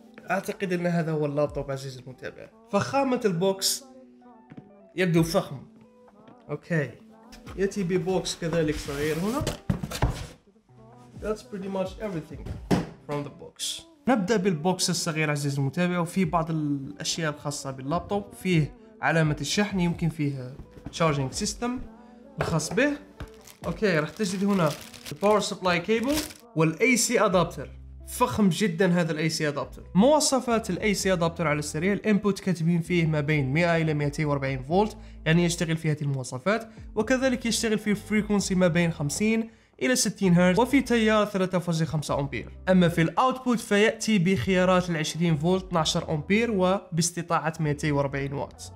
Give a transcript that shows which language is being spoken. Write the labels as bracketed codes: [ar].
[ar] اعتقد ان هذا هو اللابتوب عزيزي المتابع. فخامة البوكس يبدو فخم. اوكي. ياتي ببوكس كذلك صغير هنا. [en] That's pretty much everything from the box. [ar] نبدأ بالبوكس الصغير عزيزي المتابع، وفي بعض الأشياء الخاصة باللابتوب. فيه علامة الشحن، يمكن فيها [en] charging system [ar] الخاص به. اوكي، راح تجد هنا [en] the power supply cable [ar] وال AC adapter. فخم جدا هذا الاي سي ادابتر. مواصفات الاي سي ادابتر على السريع، الانبوت كاتبين فيه ما بين 100 الى 240 فولت، يعني يشتغل في هذه المواصفات، وكذلك يشتغل في فريكونسي ما بين 50 الى 60 هرتز، وفي تيار 3.5 امبير. اما في الاوتبوت فياتي بخيارات ال 20 فولت 12 امبير وباستطاعه 240 واط.